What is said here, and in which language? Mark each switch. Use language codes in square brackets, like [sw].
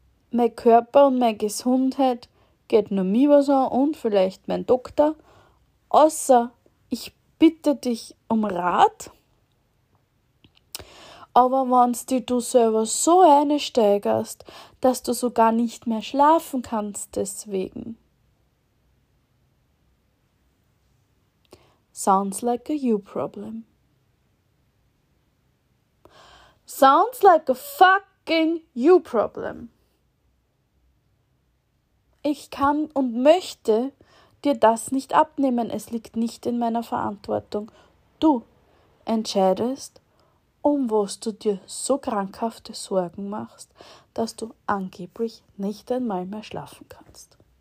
[de] Mein Körper und meine Gesundheit geht nur mir was an und vielleicht mein Doktor. Außer ich bitte dich um Rat. Aber wenn du selber so einsteigerst, dass du sogar nicht mehr schlafen kannst deswegen. [en] Sounds like a you problem. Sounds like a fucking you problem. [de] Ich kann und möchte dir das nicht abnehmen. Es liegt nicht in meiner Verantwortung. Du entscheidest, um was du dir so krankhafte Sorgen machst, dass du angeblich nicht einmal mehr schlafen kannst.